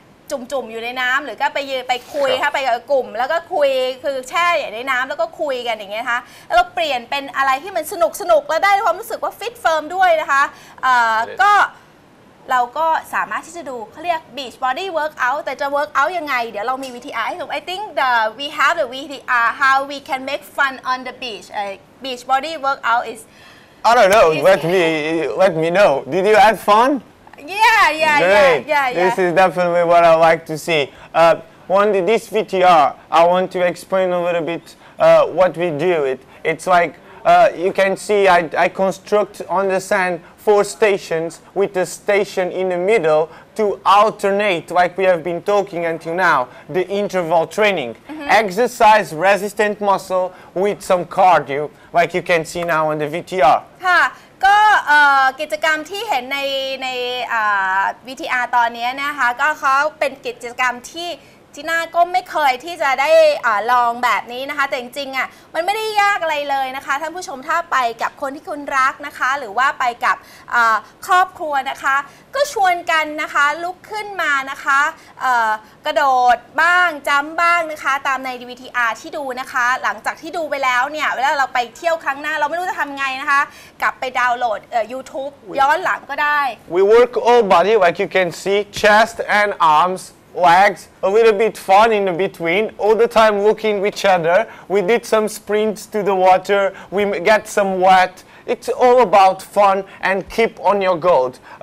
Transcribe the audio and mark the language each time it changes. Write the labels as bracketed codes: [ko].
[th] จุ่มๆอยู่ในน้ำหรือก็ไปยืนไปคุยค่ะไปกับกลุ่มแล้วก็คุยคือแช่อยู่ในน้ำแล้วก็คุยกันอย่างเงี้ยคะแล้วเปลี่ยนเป็นอะไรที่มันสนุกๆแล้วได้ความรู้สึกว่าฟิตเฟิร์มด้วยนะคะก็เราก็สามารถที่จะดูเขาเรียก beach body workout แต่จะ workout ยังไงเดี๋ยวเรามี VTR ให้ดู [en] I think the we have the VTR how we can make fun on the beach beach body workout is I don't know let me know did you have fun? Yeah. This is definitely what I like to see. When this VTR, I want to explain a little bit what we do. It's like you can see I construct on the sand four stations with a station in the middle to alternate, like we have been talking until now, the interval training. Mm-hmm. Exercise resistant muscle with some cardio, like you can see now on the VTR. [th] ก็กิจกรรมที่เห็นในVTR ตอนนี้นะคะก็เขาเป็นกิจกรรมที่ที่น่าก็ไม่เคยที่จะได้ลองแบบนี้นะคะแต่จริงๆอ่ะมันไม่ได้ยากอะไรเลยนะคะท่านผู้ชมถ้าไปกับคนที่คุณรักนะคะหรือว่าไปกับครอบครัวนะคะก็ชวนกันนะคะลุกขึ้นมานะคะ กระโดดบ้างจัมบ้างนะคะตามใน VTR ที่ดูนะคะหลังจากที่ดูไปแล้วเนี่ยเวลาเราไปเที่ยวครั้งหน้าเราไม่รู้จะทำไงนะคะกลับไปดาวน์โหลด YouTube ย้อนหลังก็ได้ [en] We work all body like you can see chest and armslegs a little bit fun in the between all the time looking at each other we did some sprints to the water we get some wet it's all about fun and keep on your goals